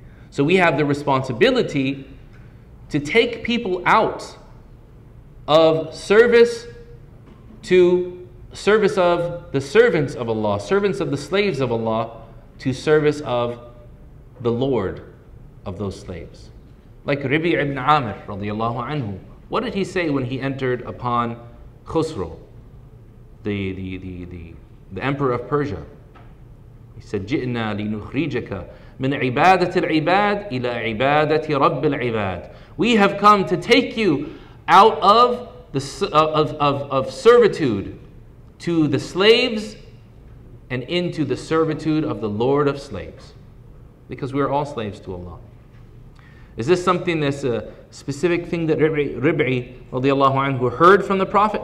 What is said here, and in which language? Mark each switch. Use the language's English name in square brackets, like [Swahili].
[English] So we have the responsibility to take people out of service to service of the servants of Allah, servants of the slaves of Allah, to service of the Lord of those slaves. Like Rabi' ibn Amir radiallahu anhu, what did he say when he entered upon Khusro, the emperor of Persia? He said, [Arabic] جِئْنَا لِنُخْرِجَكَ مِنْ عِبَادَةِ الْعِبَادِ إِلَىٰ عِبَادَةِ رَبِّ الْعِبَادِ. [English] We have come to take you out of the of servitude to the slaves and into the servitude of the Lord of slaves. Because we are all slaves to Allah. Is this something that's a specific thing that Rib'i radiallahu anhu heard from the Prophet?